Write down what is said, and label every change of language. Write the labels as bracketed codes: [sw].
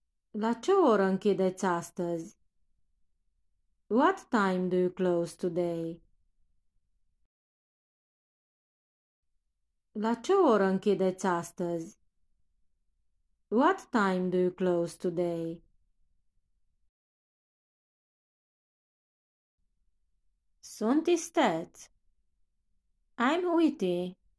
[ro] La ce oră închideți astăzi? [en] What time do you close today? [ro] La ce oră închideți astăzi? [en] What time do you close today? [ro] Sunt isteț. [en] I'm witty.